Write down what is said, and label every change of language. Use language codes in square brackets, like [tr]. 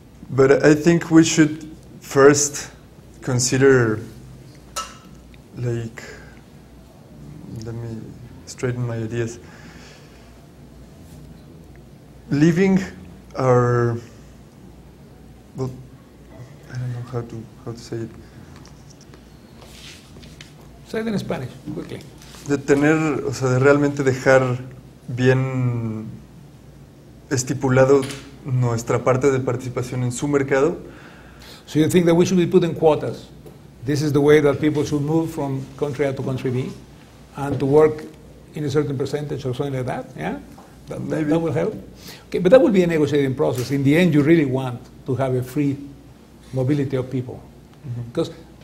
[en] But I think we should first consider, like, let me straighten my ideas. Leaving our, well, I don't know how to say it. Say it in Spanish, quickly. [es] De tener, o sea, de realmente dejar bien estipulado nuestra parte de participación en su mercado. [en] So you think that we should be putting quotas? This is the way that people should move from country A to country B and to work in a certain percentage or something like that, yeah? That will help? Okay, but that will be a negotiating process. In the end, you really want to have a free mobility of people. Because, mm-hmm.